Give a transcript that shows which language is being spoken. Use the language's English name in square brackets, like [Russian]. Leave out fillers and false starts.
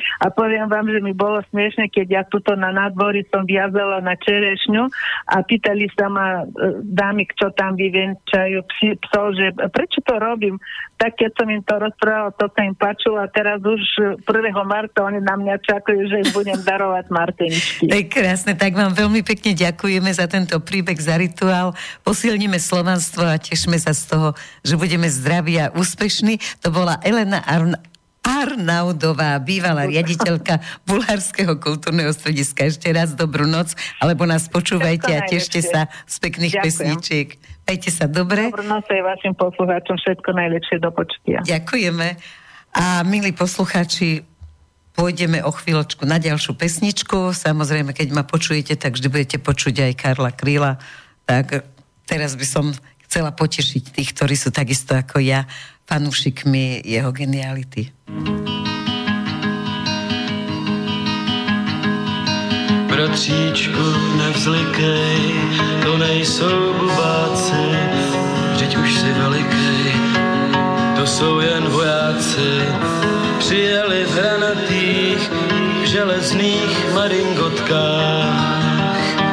[Slovak] A poviem vám, že mi bolo smiešne, keď ja tuto na nádvorí som viazala na čerešňu a pýtali sa ma dámy, čo tam vyvenčajú psov, že prečo to robím? Tak keď som im to rozprávala, to sa im páčilo a teraz už 1. marta oni na mňa čakujú, že im budem darovať marteničky. Tak krásne, tak vám veľmi pekne ďakujeme za tento príbeh, za rituál. Posilníme slovanstvo a tešme sa z toho, že budeme zdraví a úspešní. To bola Elena Arnaudová, bývalá riaditeľka Bulharského kultúrneho strediska. Ešte raz dobrú noc, alebo nás počúvajte a tešte sa z pekných pesničiek. Majte sa dobre. Dobrú noc aj vašim poslucháčom, všetko najlepšie do počutia. Ďakujeme. A milí poslucháči, pôjdeme o chvíľočku na ďalšiu pesničku. Samozrejme, keď ma počujete, tak vždy budete počuť aj Karla Kríla. Tak teraz by som chcela potešiť tých, ktorí sú takisto ako ja, fanúšikmi jeho geniality. [Czech] kocíčku, nevzlikej, to nejsou bubáci, vždyť už si velikej, to jsou jen vojáci. Přijeli v hranatých, železných maringotkách.